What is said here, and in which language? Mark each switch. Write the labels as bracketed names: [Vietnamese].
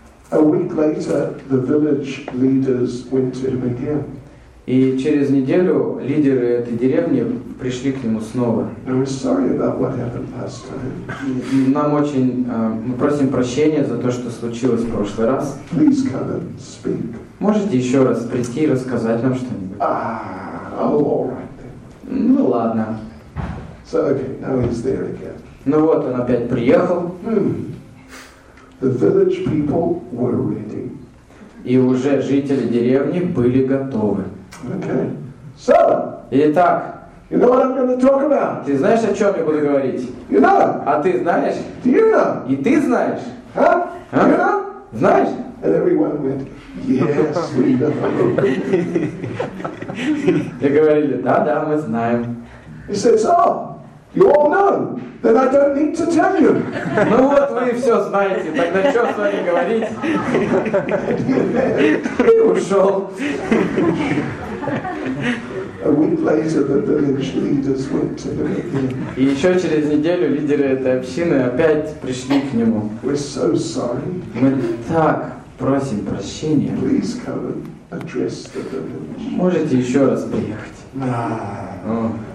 [English] A week later, the village leaders went to him again. [Russian] И через неделю лидеры этой деревни пришли к нему снова. [English] We're sorry about what happened last time. [Russian] Нам очень, мы просим прощения за то, что случилось в прошлый раз. [English] Please come and speak. [Russian] Можете еще раз прийти и рассказать нам что-нибудь? [English] Ah, all right then. [Russian] Ну ладно. [English] So okay, now he's there again. [Russian] Ну вот он опять приехал. [English] The village people were ready. [Russian] И уже жители деревни были готовы. [English] Okay. So. [Russian] Итак. [English] You know what I'm going to talk about? [Russian] Ты знаешь, о чем я буду говорить? [English] You know. [Russian] А ты знаешь? [English] Do you know? [Russian] И ты знаешь? [English] Huh? Huh? You know? [Russian] Знаешь? [English] And everyone went, yes, we know. [Russian] Ты говорили, да, да, мы знаем. [English] He says, oh. You all know, then I don't need to tell you. [Russian] Ну вот вы все знаете, тогда что с вами говорить? И ушел. [English] A week later, the village leaders went to him again. [Russian] И еще через неделю лидеры этой общины опять пришли к нему. [English] We're so sorry. [Russian] Мы так просим прощения. [English] Please come and address the village. [Russian] Можете еще раз приехать.